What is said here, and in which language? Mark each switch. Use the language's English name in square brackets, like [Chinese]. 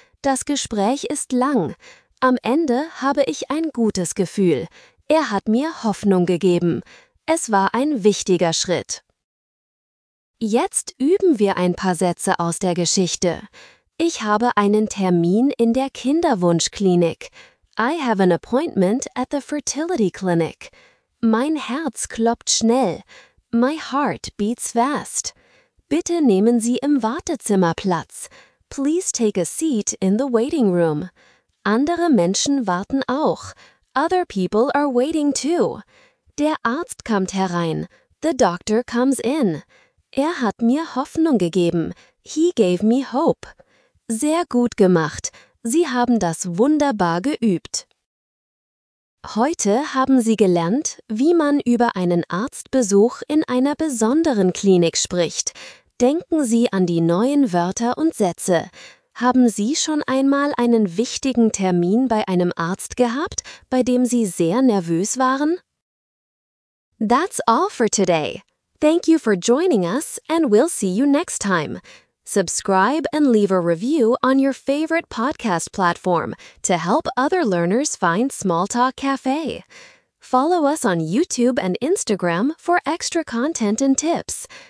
[German] Das Gespräch ist lang. Am Ende habe ich ein gutes Gefühl. Er hat mir Hoffnung gegeben. Es war ein wichtiger Schritt. Jetzt üben wir ein paar Sätze aus der Geschichte. Ich habe einen Termin in der Kinderwunschklinik. [English] I have an appointment at the fertility clinic. [German] Mein Herz klopft schnell. [English] My heart beats fast. [German] Bitte nehmen Sie im Wartezimmer Platz. [English] Please take a seat in the waiting room. [German] Andere Menschen warten auch. [English] Other people are waiting too. [German] Der Arzt kommt herein. [English] The doctor comes in. [German] Er hat mir Hoffnung gegeben. [English] He gave me hope. [German] Sehr gut gemacht. Sie haben das wunderbar geübt. Heute haben Sie gelernt, wie man über einen Arztbesuch in einer besonderen Klinik spricht. Denken Sie an die neuen Wörter und Sätze. Haben Sie schon einmal einen wichtigen Termin bei einem Arzt gehabt, bei dem Sie sehr nervös waren? [English] That's all for today. Thank you for joining us and we'll see you next time. Subscribe and leave a review on your favorite podcast platform to help other learners find Small Talk Cafe. Follow us on YouTube and Instagram for extra content and tips.